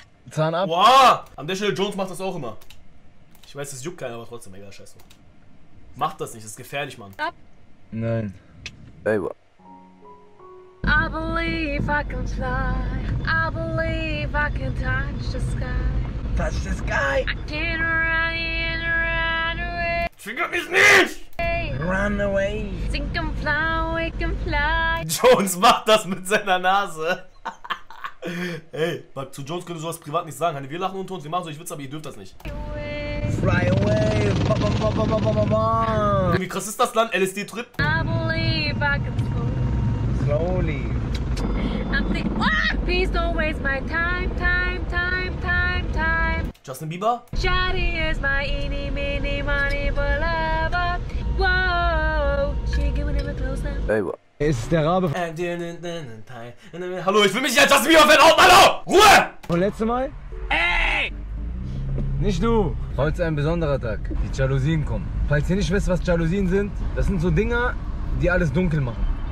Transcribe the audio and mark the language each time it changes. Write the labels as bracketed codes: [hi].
[de] Zahn ab. Wow! An der Stelle, Jones macht das auch immer. Ich weiß, es juckt keiner, aber trotzdem, egal, scheiße. Mach das nicht, das ist gefährlich, Mann. Ab. Nein. Ey, wa. [en] I believe I can fly. I believe I can touch the sky. Touch the sky. I can run, run away. [de] Trigger mich nicht! [en] Run away. Think I'm fly, we can fly. [de] Jones macht das mit seiner Nase. Ey, zu Jones könnte sowas privat nicht sagen. Wir lachen unter uns, wir machen so, ich witz, aber ihr dürft das nicht. [en] Fly away. [de] Wie krass ist das Land? LSD-Trip? [en] I believe I can fly. Slowly. I'm the please don't waste my time, time, time, time, time. Justin Bieber? Shady is my eeny, meeny, money, whatever. Whoa, she giving him a close-up. Ey, what? [de] Ist der Rabe. Hallo, ich will mich nicht als Justin Bieber Fan outen. Hallo! Ruhe! Und letzte Mal? Ey! Nicht du! Heute ist ein besonderer Tag. Die Jalousien kommen. Falls ihr nicht wisst, was Jalousien sind, das sind so Dinger, die alles dunkel machen.